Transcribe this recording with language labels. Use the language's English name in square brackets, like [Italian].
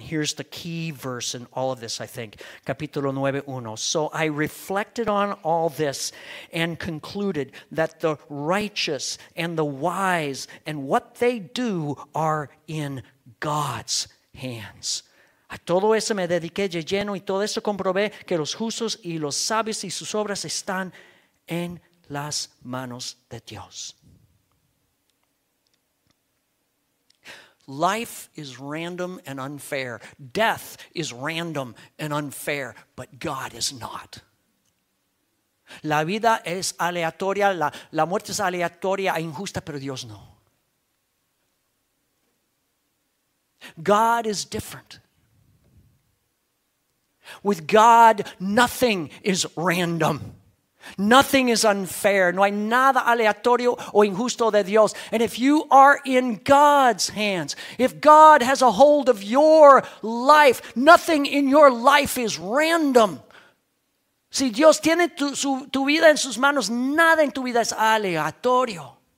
[English] Here's the key verse in all of this, I think. [Spanish] Capítulo 9, 1. [English] So I reflected on all this and concluded that the righteous and the wise and what they do are in God's hands. [Spanish] A todo eso me dediqué de lleno y todo eso comprobé que los justos y los sabios y sus obras están en las manos de Dios. [English] Life is random and unfair. Death is random and unfair, but God is not. [Spanish] La vida es aleatoria, la muerte es aleatoria e injusta, pero Dios no. [English] God is different. With God, nothing is random. Nothing is unfair. [Spanish] No hay nada aleatorio o injusto de Dios. [English] And if you are in God's hands, if God has a hold of your life, nothing in your life is random. [Spanish] Si Dios tiene tu vida en sus manos, nada en tu vida es aleatorio.